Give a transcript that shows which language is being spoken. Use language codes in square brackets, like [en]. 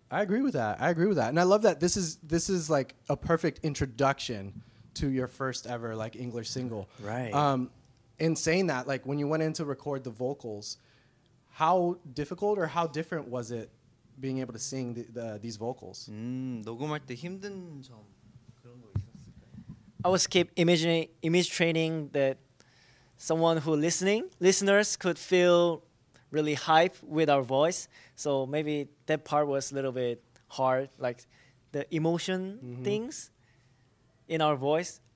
[en] I agree with that. And I love that this is like, a perfect introduction to your first ever, like, English single. Right. In saying that, like, when you went in to record the vocals, how difficult or how different was it being able to sing these vocals? [ko] 녹음할 때 힘든 점 그런 거 있었을까요? [en] I was keep image training that someone who listeners could feel really hype with our voice. So maybe that part was a little bit hard, like the emotion things in our voice.